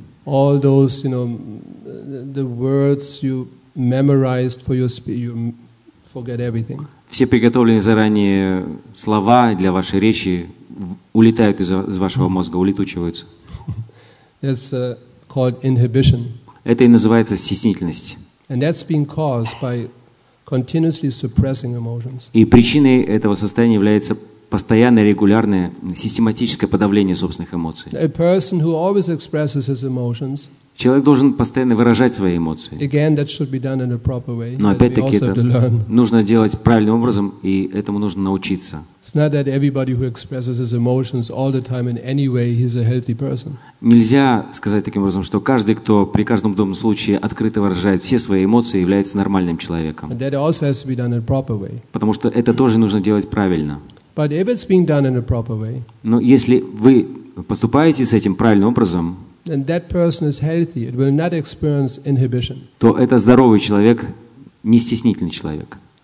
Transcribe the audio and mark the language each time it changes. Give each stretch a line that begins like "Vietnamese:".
English: All those, you know, the words you memorized for your speech, you forget everything.
Russian: Все приготовленные заранее слова для вашей речи улетают из вашего мозга, улетучиваются.
English: It's called inhibition.
Russian: Это и называется стеснительность.
English: And that's being caused by continuously suppressing emotions.
Russian: И причиной этого состояния является постоянное, регулярное, систематическое подавление собственных эмоций.
English: A person who always expresses his emotions.
Russian: Человек должен постоянно выражать свои эмоции.
English: Again, that should be done in a proper way.
Russian: Но опять-таки это нужно делать правильным образом, и этому нужно научиться.
English: It's not that everybody who expresses his emotions all the time in any way he's a healthy person.
Russian: Нельзя сказать таким образом, что каждый, кто при каждом удобном случае открыто выражает все свои эмоции, является нормальным человеком.
English: And that also has to be done in a proper way.
Russian: Потому что это тоже нужно делать правильно.
English: But if it's being done in a proper way.
Russian: Но если вы поступаете с этим правильным образом.
English: And that person is healthy. It will not experience inhibition.
Russian: То это здоровый человек, не стеснительный человек.